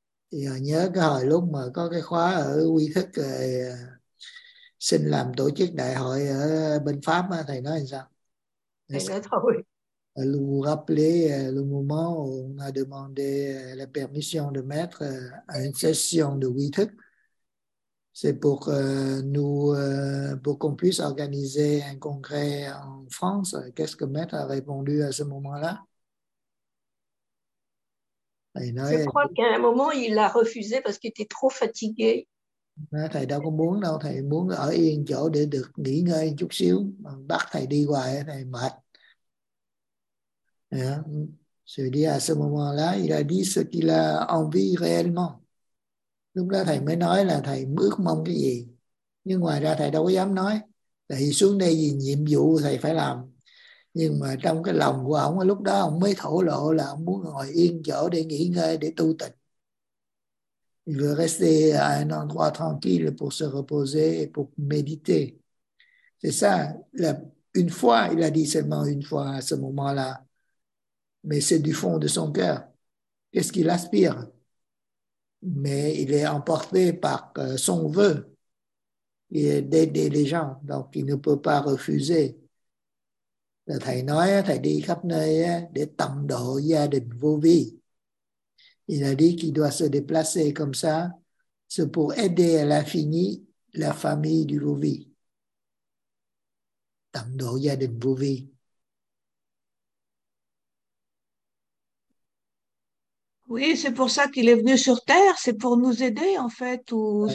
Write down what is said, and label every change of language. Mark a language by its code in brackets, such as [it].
[vi] Giờ nhớ cái hồi lúc mà có cái khóa ở Quy Thức rồi, xin làm tổ chức đại hội ở bên Pháp, thầy nói làm sao? Thầy nói thôi. [fr] Lui rappeler le moment où on a demandé la permission de mettre une session de Quy Thức. C'est pour nous, pour qu'on puisse organiser un congrès en France. Qu'est-ce que maître a répondu à ce moment-là? Je crois qu'à un moment, il a refusé parce qu'il était trop fatigué. [vi] Thầy đâu có muốn đâu, thầy muốn ở yên chỗ để được nghỉ ngơi chút xíu. Bắt thầy đi hoài, thầy mệt. [fr] Je lui dis à ce moment-là, il a dit ce qu'il a envie réellement. [vi] Lúc đó thầy mới nói là thầy ước mong cái gì. Nhưng ngoài ra thầy đâu có dám nói. Thầy xuống đây vì nhiệm vụ thầy phải làm. Nhưng mà trong cái lòng của ông lúc đó ông mới thổ lộ là ông muốn ngồi yên chỗ để nghỉ ngơi, để tu tịnh. [fr] Il veut rester à un endroit tranquille pour se reposer et pour méditer. C'est ça. Une fois, il a dit seulement une fois à ce moment-là. Mais c'est du fond de son cœur. Qu'est-ce qu'il aspire? Mais il est emporté par son vœu. d'aider les gens, donc il ne peut pas refuser. [vi] Là, thầy nói thầy đi khắp nơi để tận độ gia đình vô vi. [fr] Il a dit qu'il doit se déplacer comme ça, c'est pour aider à l'infini la famille du vô vi. [vi] Tận độ gia đình vô vi. [fr] Oui, c'est pour ça qu'il est venu sur Terre, c'est pour nous aider en fait, ou oui.